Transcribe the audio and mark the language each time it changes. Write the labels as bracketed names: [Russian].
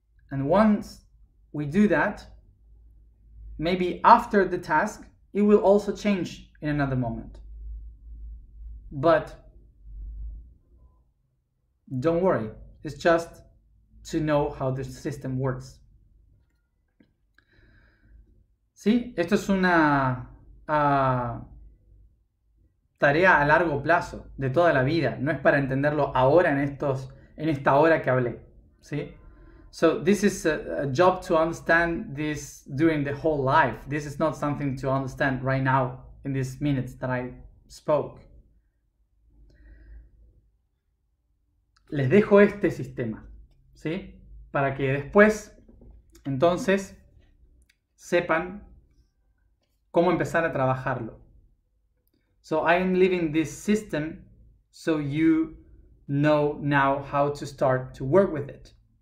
[English] And once we do that, maybe after the task, it will also change in another moment. But don't worry, it's just to know how the system works. [Spanish] ¿Sí? Esto es una tarea a largo plazo de toda la vida. No es para entenderlo ahora en esta hora que hablé. ¿Sí? [English] So this is a job to understand this during the whole life. This is not something to understand right now in these minutes that I spoke. [Spanish] Les dejo este sistema, ¿sí? Para que después, entonces, sepan cómo empezar a trabajarlo. [English] So I am leaving this system so you know now how to start to work with it.